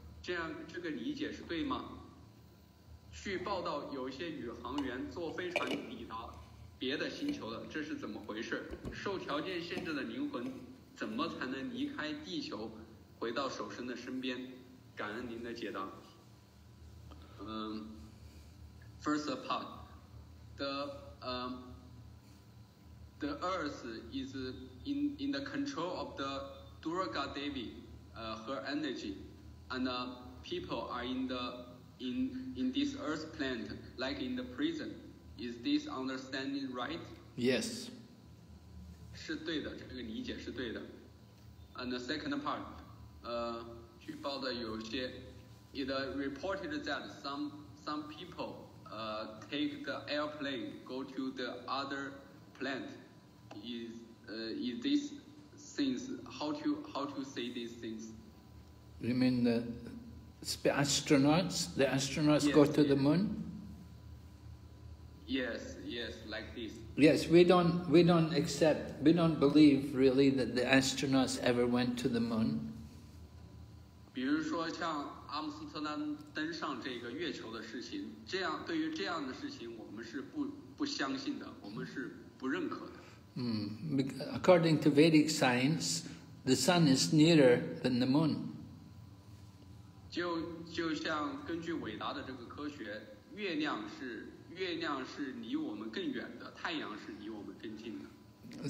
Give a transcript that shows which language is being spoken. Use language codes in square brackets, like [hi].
[zh] 这样，这个理解是对吗？据报道，有些宇航员坐飞船抵达别的星球了，这是怎么回事？受条件限制的灵魂怎么才能离开地球，回到守身的身边？感恩您的解答。 [en] First part, the earth is in the control of the Durga Devi, her energy, and people are in this earth plant, like in the prison. Is this understanding right? Yes. [zh] 是对的，这个理解是对的。 [en] And the second part, [zh] 举报的有些。 [en] It reported that some people take the airplane, go to the other plant. Is this things, how to say these things? You mean the astronauts? The astronauts yes, go to yes. the moon? Yes, like this. Yes, we don't accept, we don't believe really that the astronauts ever went to the moon. [zh] 比如说像阿姆斯特丹登上这个月球的事情，这样对于这样的事情，我们是不相信的，我们是不认可的。 [en] According to Vedic science, the sun is nearer than the moon. [zh] 就像根据伟达的这个科学，月亮是离我们更远的，太阳是离我们更近的。